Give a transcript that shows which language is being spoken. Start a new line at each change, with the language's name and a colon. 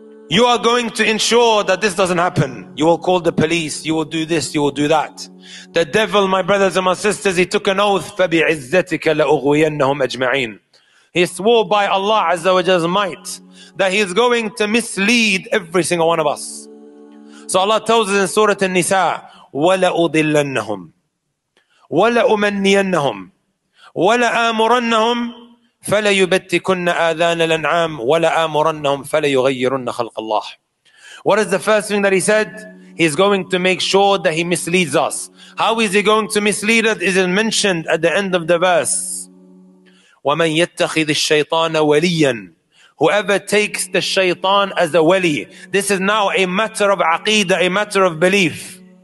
English: You are going to ensure that this doesn't happen. You will call the police. You will do this. You will do that. The devil, my brothers and my sisters, he took an oath.
Arabic: فَبِعِزَّتِكَ لَأُغْوِيَنَّهُمْ أَجْمَعِينَ.
English: He swore by Allah Azza wa Jalla's might that he is going to mislead every single one of us. So Allah tells us in Surah An-Nisa,
Arabic: وَلَأُضِلَّنَّهُمْ وَلَأُمَنِّيَنَّهُمْ وَلَآمُرَنَّهُمْ فَلَيُبَتِّكُنَّ آذَانَ الْأَنْعَامِ وَلَآمُرَنَّهُمْ فَلَيُغَيِّرُنَّ خَلْقَ اللَّهِ.
English: What is the first thing that he said? He's going to make sure that he misleads us. How is he going to mislead us? Is it mentioned at the end of the verse?
Arabic: وَمَنْ يَتَّخِذِ الشَّيْطَانَ وَلِيًّا.
English: Whoever takes the shaytan as a wali. This is now a matter of aqeedah, a matter of belief.